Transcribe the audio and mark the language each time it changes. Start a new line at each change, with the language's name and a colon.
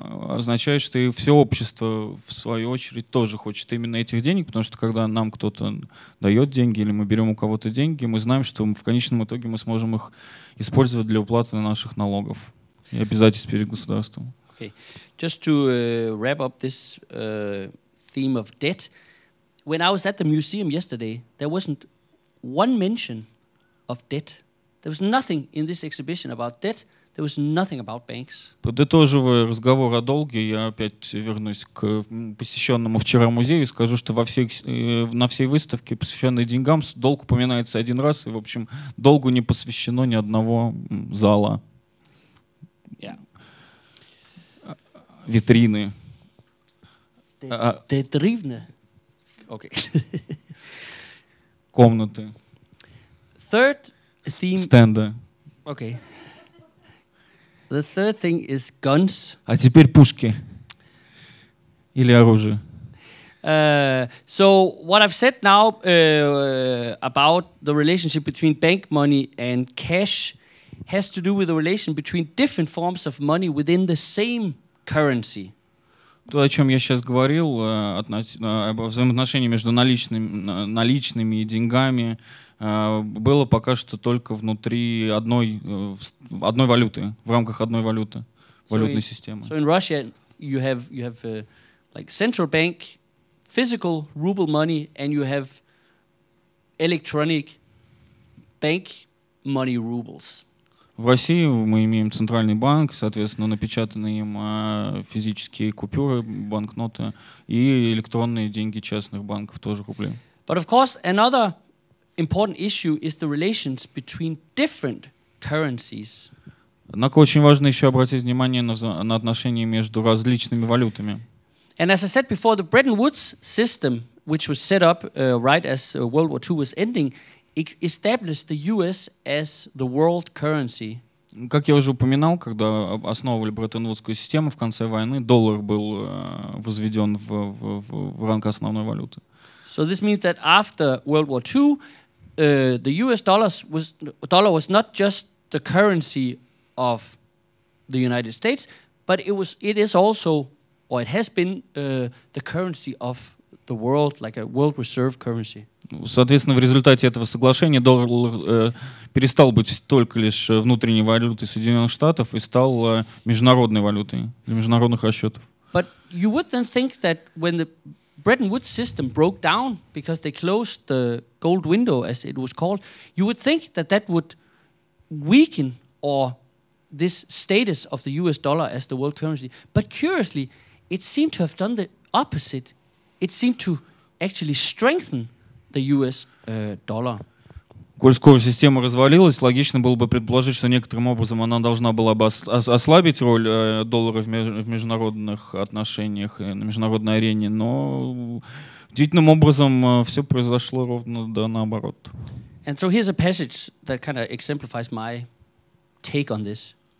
Russian: Означает, что и все общество в свою очередь тоже хочет именно этих денег, потому что когда нам кто-то дает деньги или мы берем у кого-то деньги, мы знаем, что в конечном итоге мы сможем их использовать для уплаты наших налогов и обязательств перед государством.
English: Okay. Just to wrap up this theme of debt, when I was at the museum yesterday, there wasn't one mention of debt. There was nothing in this exhibition about debt. There was nothing about banks.
Russian: Подытоживая разговор о долге, я опять вернусь к посещенному вчера музею и скажу, что на всей выставке, посвященной деньгам, долг упоминается один раз, и, в общем, долгу не посвящено ни одного зала.
English: Yeah.
Russian: Витрины.
English: Okay.
Russian: Комнаты.
English: Third theme.
Russian: Стенды.
English: Okay. The third thing is guns.
Russian: А теперь пушки или оружие.
English: So what I've said now about the relationship between bank money and cash has to do with the relation between different forms of money within the same currency.
Russian: То, о чем я сейчас говорил, об взаимоотношении между наличными и деньгами, было пока что только внутри одной валюты, в рамках одной валюты, валютной системы.
English: So in Russia you have like central bank physical ruble money and you have electronic bank money rubles.
Russian: В России мы имеем центральный банк, соответственно, напечатанные им физические купюры, банкноты и электронные деньги частных банков, тоже рубли.
English: But of course another important issue is the relations between different currencies.
Russian: Однако очень важно еще обратить внимание на отношения между различными валютами.
English: And as I said before, the Bretton Woods system, which was set up right as World War II was ending, it established the US as the world currency.
Russian: Как я уже упоминал, когда основывали Бреттон-Вудскую систему в конце войны, доллар был возведен в ранг основной валюты.
English: So this means that after World War II, the US dollar was not just the currency of the United States, but it was it is also or it has been the currency of the world, like a world reserve currency.
Russian: Соответственно, в результате этого соглашения доллар перестал быть только лишь внутренней валютой Соединенных Штатов и стал международной валютой для международных расчетов.
English: But you would then think that when the Bretton Woods system broke down because they closed the gold window, as it was called, you would think that that would weaken or this status of the US dollar as the world currency. But curiously, it seemed to have done the opposite. It seemed to actually strengthen the US dollar.
Russian: Коль скоро система развалилась, логично было бы предположить, что некоторым образом она должна была бы ослабить роль доллара в международных отношениях, на международной арене, но удивительным образом все произошло ровно да, наоборот.
English: And so here's a passage that kind of exemplifies my take on this.